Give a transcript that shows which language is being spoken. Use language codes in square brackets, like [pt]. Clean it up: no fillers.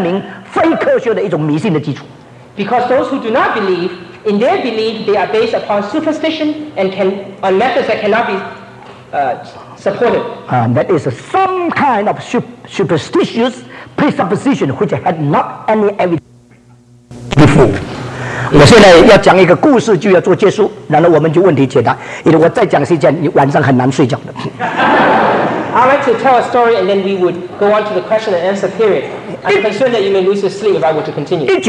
[zh] 因为那些不信上帝的人，他的方法论里面正是一种没有办法证明非科学的一种迷信的基础。 [en] Because those who do not believe, in their belief, they are based upon superstition and can on methods that cannot be supported. That is some kind of superstitious presupposition which had not any evidence before. [zh] 我现在要讲一个故事就要做结束，然后我们就问题解答，因为我再讲是一件晚上很难睡觉的。I [en] like to tell a story and then we would go on to the question and answer period. I'm concerned that you may lose your sleep if I were to continue.